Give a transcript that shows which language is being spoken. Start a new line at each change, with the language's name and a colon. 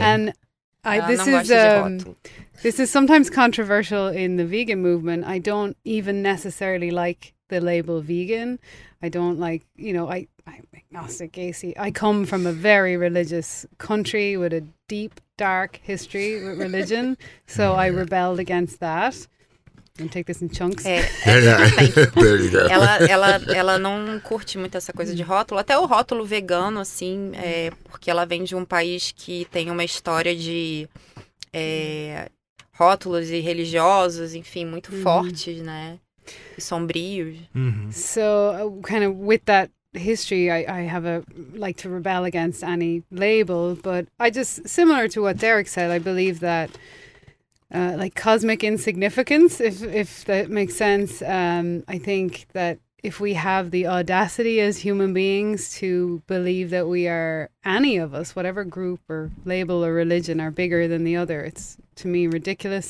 English: And this is sometimes controversial in the vegan movement. I don't even necessarily like the label vegan. I don't like, you know, I'm agnostic, Gacy. I come from a very religious country with a deep, dark history with religion. So I rebelled against that.
Portuguese: Vamos
English: take this in chunks.
Portuguese: Ela não curte muito essa coisa de rótulo. Até o rótulo vegano, assim, porque ela vem de um país que tem uma história de rótulos e religiosos, enfim, muito fortes, né? E sombrios. Mm-hmm.
English: So, kind of with that history, I have a like to rebel against any label, but I just, similar to what Derrick said, I believe that like cosmic insignificance, if that makes sense. I think that if we have the audacity as human beings to believe that we are, any of us, whatever group or label or religion, are bigger than the other, it's, to me, ridiculous.